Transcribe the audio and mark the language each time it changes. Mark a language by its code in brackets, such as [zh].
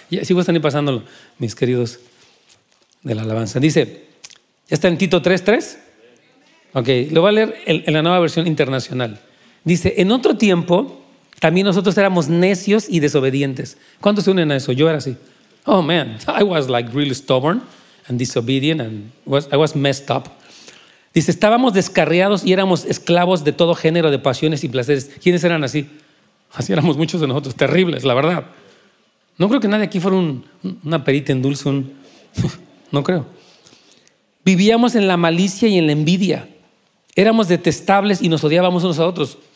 [es] Ya, sigo están ahí pasándolo, mis queridos de la alabanza. Dice, ¿ya está en Tito 3, 3? Ok, lo voy a leer en la nueva versión internacional. Dice, en otro tiempo también nosotros éramos necios y desobedientes. ¿Cuántos se unen a eso? Yo era así. [en] Oh, man, I was like really stubborn and disobedient and I was messed up. [es] Dice, estábamos descarriados y éramos esclavos de todo género de pasiones y placeres. ¿Quiénes eran así? Así éramos muchos de nosotros, terribles, la verdad. No creo que nadie aquí fuera una perita en dulce, no creo. Vivíamos en la malicia y en la envidia. Éramos detestables y nos odiábamos unos a otros.